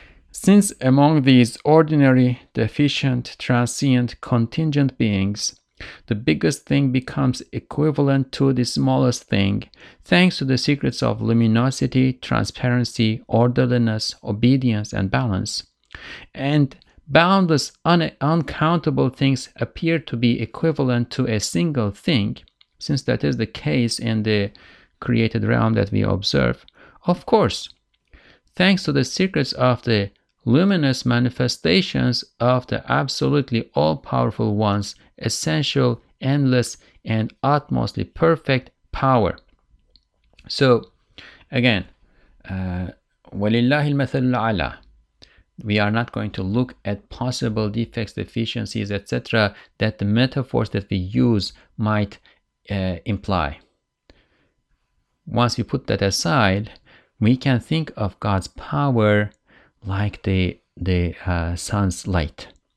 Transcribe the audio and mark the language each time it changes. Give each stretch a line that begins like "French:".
English: Since among these ordinary, deficient, transient, contingent beings, the biggest thing becomes equivalent to the smallest thing, thanks to the secrets of luminosity, transparency, orderliness, obedience, and balance, and boundless, uncountable things appear to be equivalent to a single thing, since that is the case in the created realm that we observe. Of course, thanks to the secrets of the luminous manifestations of the absolutely all-powerful ones, essential, endless, and utmostly perfect power. So, again,
Arabic: وَلِلَّهِ الْمَثَلُ الْعَلَىٰ.
English: We are not going to look at possible defects, deficiencies, etc., that the metaphors that we use might imply. Once we put that aside, we can think of God's power like the sun's light.